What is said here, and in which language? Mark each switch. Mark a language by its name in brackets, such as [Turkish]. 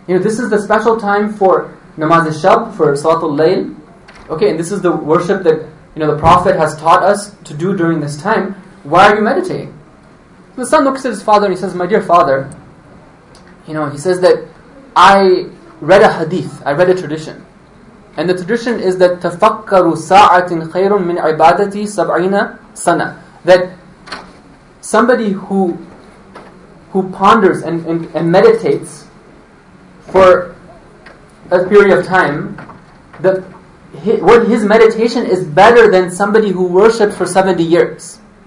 [English] You know, this is the special time for Namaz al-Shab, for Salatul Layl. Okay, and this is the worship that, you know, the Prophet has taught us to do during this time. Why are you meditating? The son looks at his father and he says, my dear father, you know, he says that I read a hadith, I read a tradition. And the tradition is that [Arabic] تَفَكَّرُوا سَاعَةٍ خَيْرٌ مِّنْ عِبَادَتِي سَبْعِينَ سَنَةً. [English] That somebody who ponders and meditates for a period of time, that his meditation is better than somebody who worships for 70 years.